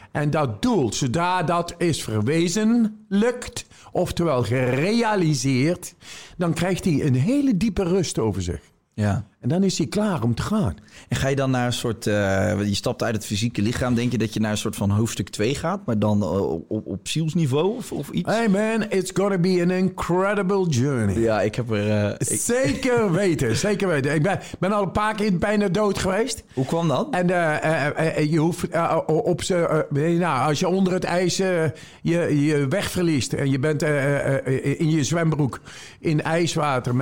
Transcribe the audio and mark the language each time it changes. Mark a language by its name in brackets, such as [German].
[Dutch] En dat doel, zodra dat is verwezenlijkt, oftewel gerealiseerd, dan krijgt hij een hele diepe rust over zich. Ja. En dan is hij klaar om te gaan. En ga je dan naar een soort... je stapt uit het fysieke lichaam. Denk je dat je naar een soort van hoofdstuk 2 gaat? Maar dan op zielsniveau of iets? [English] Hey man, it's gonna be an incredible journey. [Dutch] Ja, ik heb er... Zeker weten, zeker weten. Ik ben al een paar keer bijna dood geweest. Hoe kwam dat? En je hoeft op ze... als je onder het ijs je weg verliest... en je bent in je zwembroek in ijswater...